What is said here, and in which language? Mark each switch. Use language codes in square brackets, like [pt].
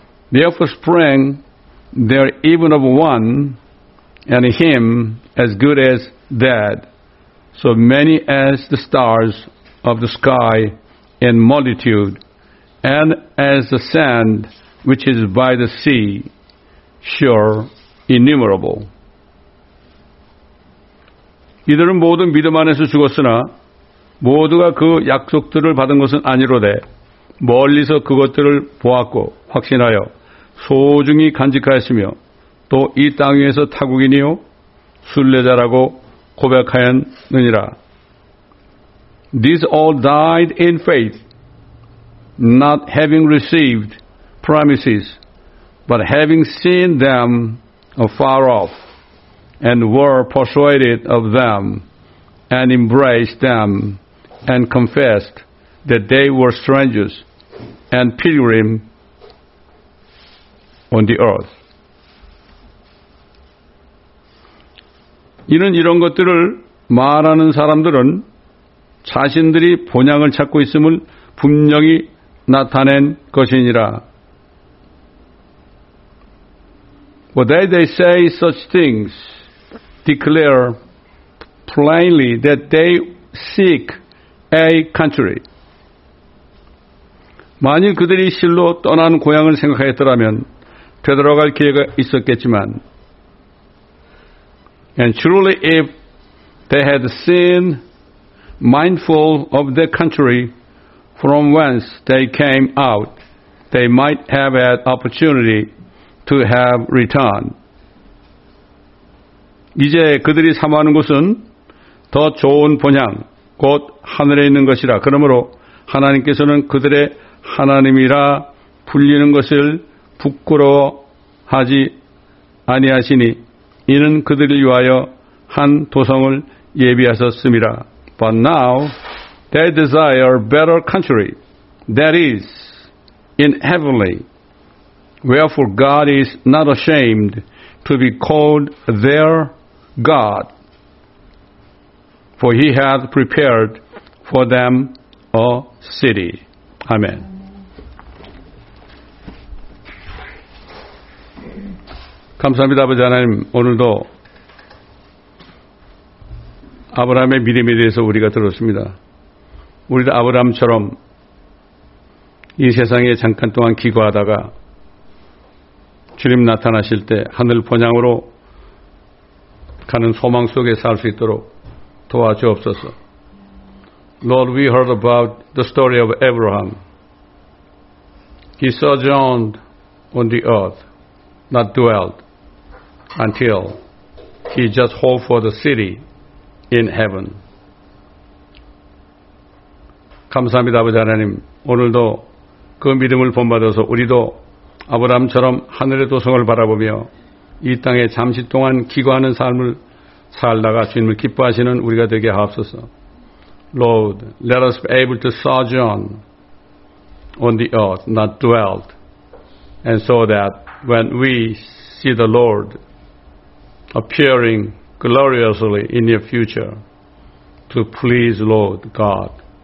[en] Therefore sprang there even of one, and him as good as dead, so many as the stars of the sky in multitude, and as the sand which is by the sea, sure innumerable. [ko] 이들은 모든 믿음 안에서 죽었으나 모두가 그 약속들을 받은 것은 아니로되 멀리서 그것들을 보았고 확신하여 소중히 간직하였으며 또 이 땅 위에서 타국인이요 순례자라고 고백하였느니라. [en] These all died in faith, not having received promises, but having seen them afar off, and were persuaded of them, and embraced them, and confessed that they were strangers and pilgrims on the earth. [ko] 이는 이런 것들을 말하는 사람들은 자신들이 본향을 찾고 있음을 분명히 나타낸 것이니라. [en] But they say such things declare plainly that they seek a country. 만일 그들이 실로 떠난 고향을 생각하였더라면 되돌아갈 기회가 있었겠지만 And truly if they had seen mindful of the country from whence they came out, they might have had opportunity to have returned. [ko] 이제 그들이 사모하는 곳은 더 좋은 본향 곧 하늘에 있는 것이라. 그러므로 하나님께서는 그들의 하나님이라 불리는 것을 부끄러워하지 아니하시니 이는 그들을 위하여 한 도성을 예비하셨음이라. [en] But now they desire better country, that is, in heavenly. Wherefore God is not ashamed to be called their God. For he hath prepared for them a city. Amen. [ko] 감사합니다, 아버지 하나님. 오늘도 아브라함의 믿음에 대해서 우리가 들었습니다. 우리도 아브라함처럼 이 세상에 잠깐 동안 기거하다가 주님 나타나실 때 하늘 본향으로 가는 소망 속에 살 수 있도록 도와주옵소서. [en] Lord, we heard about the story of Abraham. He sojourned on the earth, not dwelt until he just hoped for the city in heaven. [ko] 감사합니다, 아버지 하나님. 오늘도 그 믿음을 본받아서 우리도 아브라함처럼 하늘의 도성을 바라보며 이 땅에 잠시 동안 기거하는 삶을 살다가 주님을 기뻐하시는 우리가 되게 하옵소서. [en] Lord, let us be able to sojourn on the earth, not dwelt, and so that when we see the Lord appearing gloriously in your future, to please Lord God.